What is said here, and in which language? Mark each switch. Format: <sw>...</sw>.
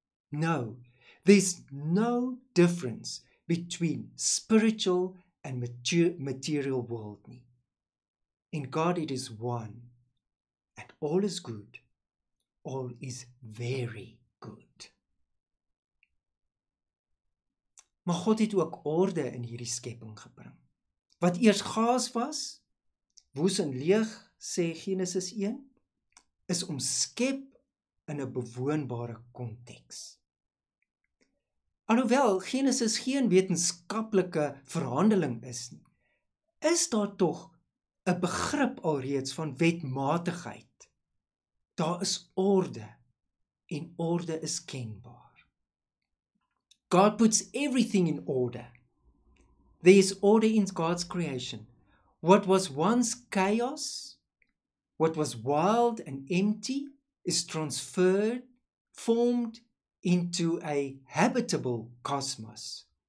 <en>No, there's no difference between spiritual and material world. In God it is one, and all is good, all is very good.</en> <af>Maar God het ook orde in hierdie skepping gebring. Wat eers chaos was, woes en leeg, sê Genesis 1, is omskep in 'n bewoonbare konteks. Alhoewel Genesis geen wetenskaplike verhandeling is nie, is daar tog 'n begrip alreeds van wetmatigheid. Daar is orde en orde is kenbaar.</af> <en>God puts everything in order. There is order in God's creation. What was once chaos, what was wild and empty, is transferred, formed into a habitable cosmos.</en>